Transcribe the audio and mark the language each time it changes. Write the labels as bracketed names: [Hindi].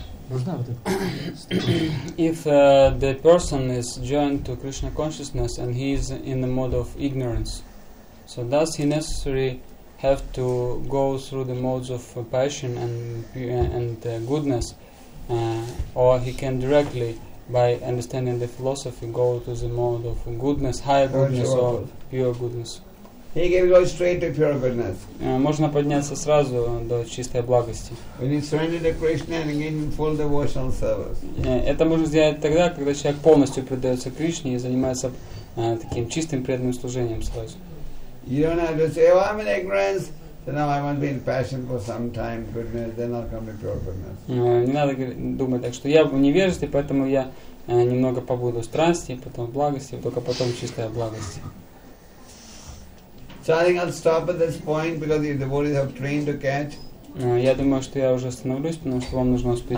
[English] If the person is joined to Krishna consciousness and he is in the mode of ignorance, so does he necessarily have to go through the modes of passion and goodness, or he can directly, by understanding the philosophy, go to the mode of goodness, higher goodness, or pure goodness? He can go straight to pure goodness. [Russian] Можно подняться сразу до чистой благости. [English] When he surrendered to Krishna and gave him full devotional service. [Russian] Это можно сделать тогда, когда человек полностью предается Кришне и занимается таким чистым преданным служением сразу. [English] You don't have to say, "Oh, I'm in ignorance." So now I want to be in passion for some time, goodness. Then I'll come to pure goodness. [Russian] Не надо думать так, что я в невежестве, поэтому я немного побуду в странстве, потом в благости, только потом в чистой благости. [English] So I think I'll stop at this point because the devotees have train to catch. [Russian] Я думаю, что я уже остановлюсь, потому что вам нужно успеть.